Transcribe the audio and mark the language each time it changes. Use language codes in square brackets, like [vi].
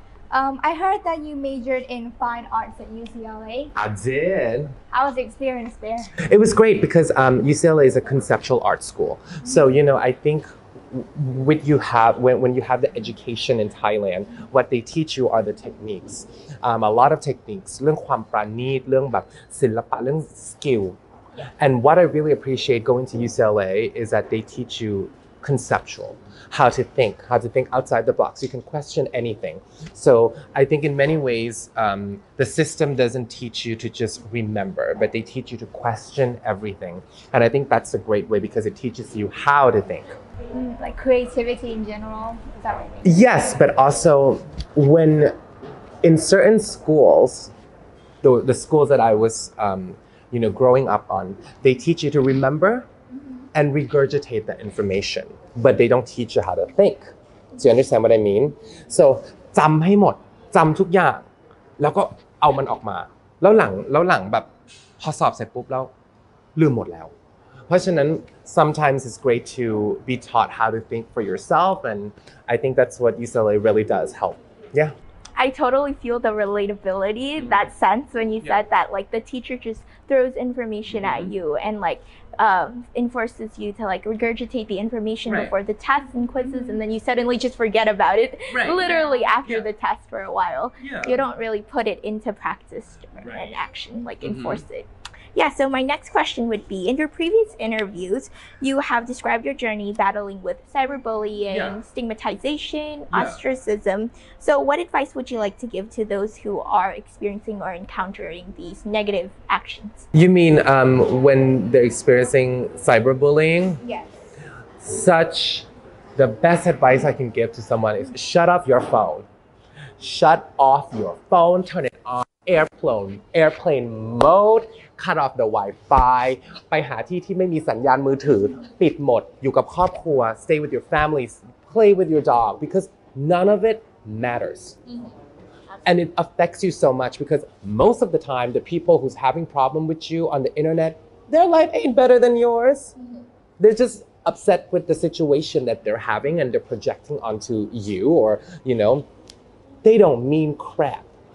[en] I heard that you majored in fine arts at UCLA. I did. How was the experience there? It was great because UCLA is a conceptual art school. Mm-hmm. So, you know, I think what you have, when you have the education in Thailand, what they teach you are the techniques. A lot of techniques, [th] เรื่อง ความ ประณีต, เรื่อง แบบ ศิลปะ, เรื่อง [en] skill. And what I really appreciate going to UCLA is that they teach you conceptual, how to think outside the box. You can question anything. So I think in many ways, the system doesn't teach you to just remember, but they teach you to question everything. And I think that's a great way because it teaches you how to think. Like creativity in general, is that what you mean? Yes, but also when in certain schools, the schools that I was you know, growing up on, they teach you to remember and regurgitate that information, but they don't teach you how to think. Do you understand what I mean? So, [th] จำให้หมดจำทุกอย่างแล้วก็เอามันออกมาแล้วหลังแล้วหลังแบบพอสอบเสร็จปุ๊บแล้วลืมหมดแล้วเพราะฉะนั้น [en] sometimes it's great to be taught how to think for yourself, and I think that's what UCLA really does help. Yeah. I totally feel the relatability, that sense when you said that, like the teacher just throws information at you and like enforces you to like regurgitate the information before the tests and quizzes, and then you suddenly just forget about it literally after the test for a while. Yeah. You don't really put it into practice and action, like enforce it. Yeah, so my next question would be, in your previous interviews, you have described your journey battling with cyberbullying, stigmatization, ostracism. So what advice would you like to give to those who are experiencing or encountering these negative actions? You mean when they're experiencing cyberbullying? Yes. Such, the best advice I can give to someone is shut off your phone. Shut off your phone, turn it on, airplane mode. Cut off the Wi-Fi, [th] ไปหาที่ที่ไม่มีสัญญาณมือถือปิดหมดอยู่กับครอบครัว [en] stay with your family, play with your dog, because none of it matters. And it affects you so much because most of the time, the people who's having problem with you on the internet, their life ain't better than yours. They're just upset with the situation that they're having and they're projecting onto you, or, you know, they don't mean crap.